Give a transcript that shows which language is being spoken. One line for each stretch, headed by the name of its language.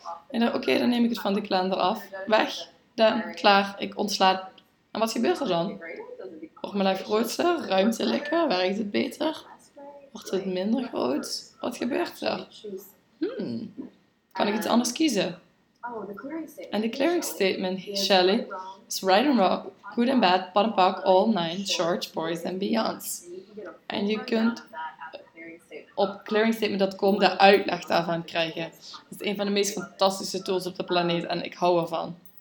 Dutch: En dan, oké, dan neem ik het van de kalender af. Weg, dan, klaar, ik ontsla. En wat gebeurt er dan? Wordt mijn lijf groter, ruimte lekker, werkt het beter? Wordt het minder groot? Wat gebeurt er? Kan ik iets anders kiezen?
English: En de clearing statement, Shelley, is right and wrong, good and bad, pot and pock, all nine, shorts, boys and beyonds.
Dutch: En je kunt op clearingstatement.com de uitleg daarvan krijgen. Dat is een van de meest fantastische tools op de planeet en ik hou ervan.